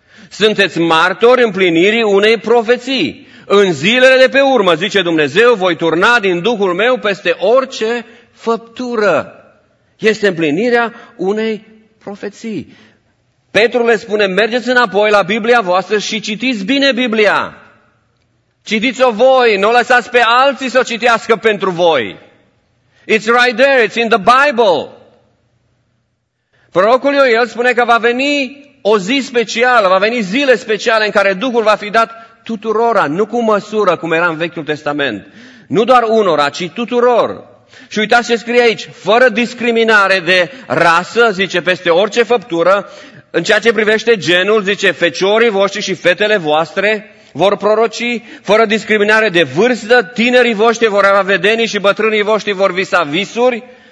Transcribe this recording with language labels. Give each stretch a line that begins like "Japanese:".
Romanian: Sunteți martori împlinirii unei profeții. În zilele de pe urmă, zice Dumnezeu, voi turna din Duhul meu peste orice făptură. Este împlinirea unei profeții. Petru le spune, mergeți înapoi la Biblia voastră și citiți bine Biblia. Citiți-o voi, nu lăsați pe alții să o citească pentru voi.
English: It's right there, it's in the Bible.
Romanian: Prorocul Ioel spune că va veni o zi specială, va veni zile speciale în care Duhul va fi dat tuturora, nu cu măsură, cum era în Vechiul Testament. Nu doar unora, ci tuturor. Și uitați ce scrie aici, fără discriminare de rasă, zice, peste orice făptură, în ceea ce privește genul, zice, feciorii voștri și fetele voastre vor proroci, fără discriminare de vârstă, tinerii voștri vor avea vedenii și bătrânii voștri vor visa visuri,